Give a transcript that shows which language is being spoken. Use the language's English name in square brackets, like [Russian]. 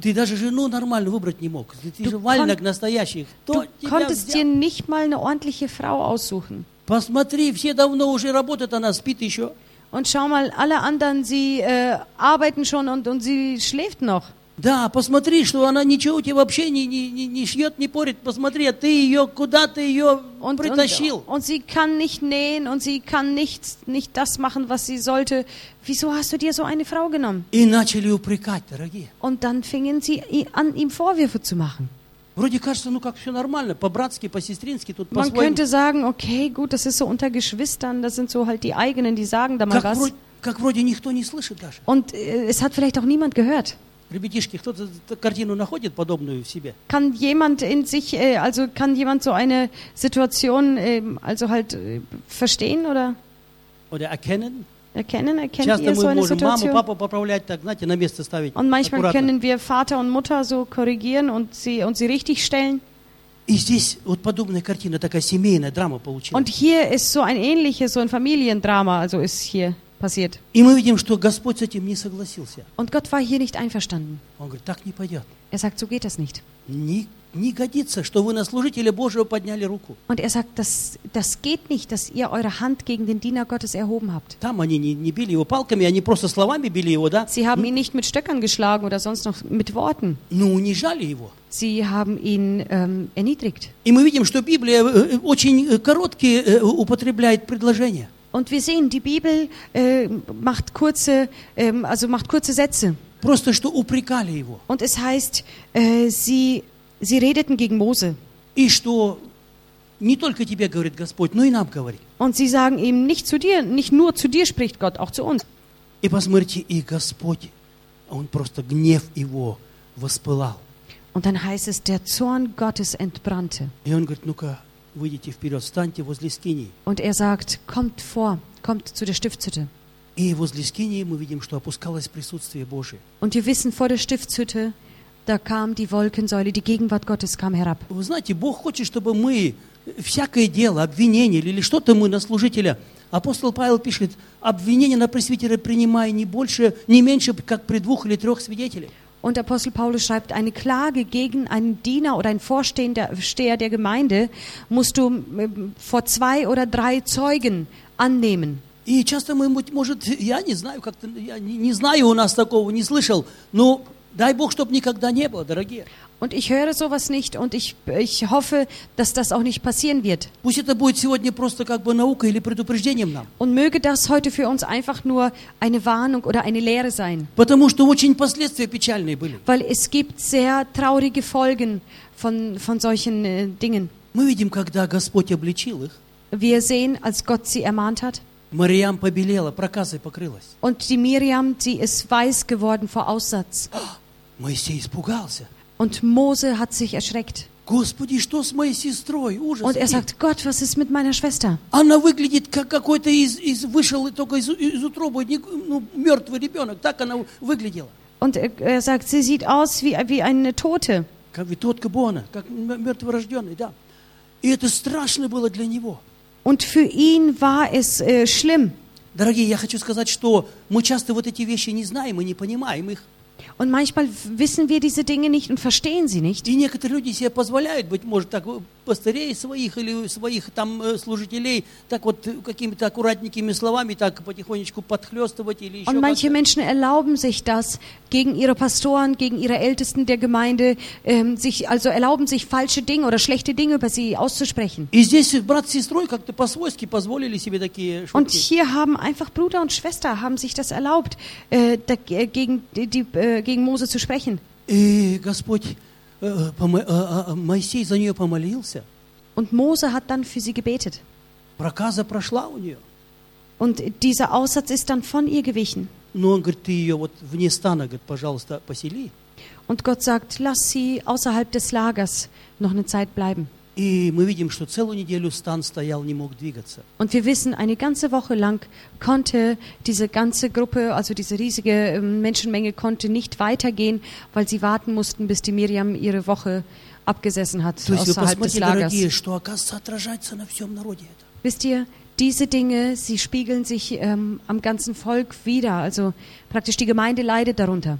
[Russian] Ты даже жену нормально выбрать не мог. Ты же вальнак настоящий. [German] Du konntest dir nicht mal eine ordentliche Frau aussuchen. [Russian] Посмотри, все давно уже работают, она спит еще. [German] Und schau mal, alle anderen, sie arbeiten schon und sie schläft noch. [Russian] Да, посмотри, что она ничего тебе вообще не шьет, не порит. Посмотри, а ты ее, куда ты ее притащил? [German] Und sie kann nicht nähen und sie kann nicht das machen, was sie sollte. Wieso hast du dir so eine Frau genommen? [Russian] И начали упрекать, дорогие. [German] Und dann fingen sie an, ihm Vorwürfe zu machen. [Russian] Вроде кажется, ну как все нормально, по-братски, по-сестрински, тут по-своему. [German] Man könnte sagen, okay, gut, das ist so unter Geschwistern, das sind so halt die eigenen, die sagen da mal was. [Russian] Как вроде никто не слышит даже. [German] Und es hat vielleicht auch niemand gehört. [Russian] Ребятишки, кто-то картину находит подобную в себе? [German] Kann jemand in sich, also kann jemand so eine Situation, also halt verstehen, oder? Oder erkennen? Erkennen, erkennt ihr so eine Situation? [Russian] Часто мы можем маму, папу поправлять, так, знаете, на место ставить. [German] Und manchmal können wir Vater und Mutter so korrigieren und sie richtig stellen. [Russian] И здесь вот подобная картина, такая семейная драма получилась. [German] Und hier ist so ein ähnliches, so ein Familiendrama, also ist hier passiert. [Russian] И мы видим, что Господь с этим не согласился. [German] Und Gott war hier nicht einverstanden. [Russian] Он говорит, так не пойдет. [German] Er sagt, so geht das nicht. [Russian] Не годится, что вы на служителя Божьего подняли руку. [German] Und er sagt, das geht nicht, dass ihr eure Hand gegen den Diener Gottes erhoben habt. [Russian] Там они не били его палками, они просто словами били его, да? [German] Sie haben ihn nicht mit Stöckern geschlagen oder sonst noch mit Worten. [Russian] Ну, унижали его. [German] Sie haben ihn erniedrigt. [Russian] И мы видим, что Библия очень короткие употребляет предложения. [German] Und wir sehen, die Bibel macht kurze, also macht kurze Sätze. [Russian] Просто что упрекали его. [German] Und es heißt, sie redeten gegen Mose. [Russian] И что не только тебе говорит Господь, но и нам говорит. [German] Und sie sagen ihm, nicht zu dir, nicht nur zu dir spricht Gott, auch zu uns. [Russian] И посмотрите, и Господь, он просто гнев его воспылал. [German] Und dann heißt es, der Zorn Gottes entbrannte. [Russian] И он говорит, ну-ка, выйдите вперед, встаньте возле скинии. [German] Und er sagt, kommt vor, kommt zu der Stiftshütte. [Russian] И возле скинии мы видим, что опускалось присутствие Божие. [German] Und wir wissen, vor der Stiftshütte, da kam die Wolkensäule, die Gegenwart Gottes kam herab. [Russian] Вы знаете, Бог хочет, чтобы мы всякое дело, обвинение или что-то мы на служителя. Апостол Павел пишет, обвинение на пресвитера принимай не больше, не меньше, как при двух или трех свидетелях. [German] Und Apostel Paulus schreibt, eine Klage gegen einen Diener oder einen Vorsteher der Gemeinde musst du vor zwei oder drei Zeugen annehmen. [Russian] И часто мы, может, я не знаю, как-то, я не знаю, у нас такого не слышал, но Дай Бог, чтобы никогда не было, дорогие. [German] Und ich höre sowas nicht und ich hoffe, dass das auch nicht passieren wird. [Russian] Пусть это будет сегодня просто как бы наукой или предупреждением нам. [German] Und möge das heute für uns einfach nur eine Warnung oder eine Lehre sein. [Russian] Потому что очень последствия печальные были. [German] Weil es gibt sehr traurige Folgen von solchen Dingen. [Russian] Мы видим, когда Господь обличил их. [German] Wir sehen, als Gott sie ermahnt hat. [Russian] Мариам побелела, проказой покрылась. [German] Und die Miriam, die ist weiß geworden vor Aussatz. [Russian] Моисей испугался. [German] Und Mose hat sich erschreckt. [Russian] Господи, что с моей сестрой? Ужас. [German] Und er sagt: Gott, was ist mit meiner Schwester? [Russian] Она выглядит как какой-то из вышел только из утробы, ну, мёртвый ребёнок, так она выглядела. [German] Und er sagt: Sie sieht aus wie eine Tote. [Russian] Как [German] wie tot geboren, [Russian] как мёртворождённый, да. И это страшно было для него. [German] Und für ihn war es schlimm. [Russian] Дорогие, я хочу сказать, что мы часто вот эти вещи не знаем и не понимаем их. [German] Und manchmal wissen wir diese Dinge nicht und verstehen sie nicht. [Russian] И некоторые люди себе позволяют быть, может, так пастырей своих или своих там служителей так вот какими-то аккуратненькими словами так потихонечку подхлёстывать или ещё. [German] Und manche Menschen erlauben sich das gegen ihre Pastoren, gegen ihre Ältesten der Gemeinde, sich also erlauben sich falsche Dinge oder schlechte Dinge über sie auszusprechen. [Russian] И здесь брат с сестрой как-то по-свойски позволили себе такие шутки. [German] Und hier haben einfach Bruder und Schwester haben sich das erlaubt, gegen die gegen Mose zu sprechen. [Russian] Моисей за неё помолился. [German] Und Mose hat dann für sie gebetet. [Russian] Проказа прошла у неё. [German] Und dieser Aussatz ist dann von ihr gewichen. [Russian] Но он говорит, ты её вот вне стана, говорит, пожалуйста, посели. [German] Und Gott sagt, lass sie außerhalb des Lagers noch eine Zeit bleiben. [Russian] И мы видим, что целую неделю стан стоял, не мог двигаться. [German] Und wir wissen, eine ganze Woche lang konnte diese ganze Gruppe, also diese riesige Menschenmenge, konnte nicht weitergehen, weil sie warten mussten, bis die Miriam ihre Woche abgesessen hat außerhalb des Lagers. [Russian] Дорогие, что, оказывается, отражается на всем народе это. [German] Wisst ihr, diese Dinge, sie spiegeln sich am ganzen Volk wieder, also praktisch die Gemeinde leidet darunter.